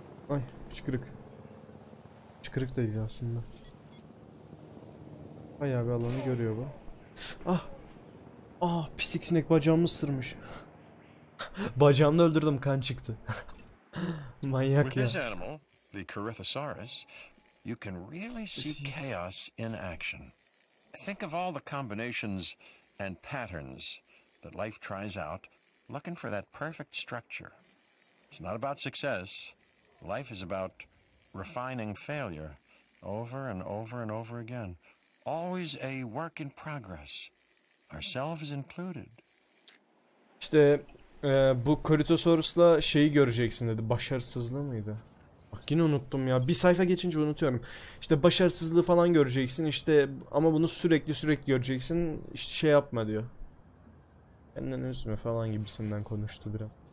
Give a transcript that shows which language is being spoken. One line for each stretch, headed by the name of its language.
Turkish: Ay, çıkırık. Çıkırık değil aslında. Bayağı bir alanı görüyor bu. Ah! Ah, pislik sinek bacağımı ısırmış. Bacağımda öldürdüm, kan çıktı. Manyak ya.
English: Animal, the Carithosaurus, you can really see chaos in action. Think of all the combinations and patterns that life tries out, looking for that perfect structure. It's not about success. Life is about refining failure over and over and over again. Always a work in progress, ourselves included.
Turkish: İşte bu Koritosaurus'la şeyi göreceksin dedi. Başarısızlığı mıydı? Bak yine unuttum ya. Bir sayfa geçince unutuyorum. İşte başarısızlığı falan göreceksin. İşte ama bunu sürekli göreceksin. İşte şey yapma diyor. Kendini üzme falan gibisinden konuştu biraz.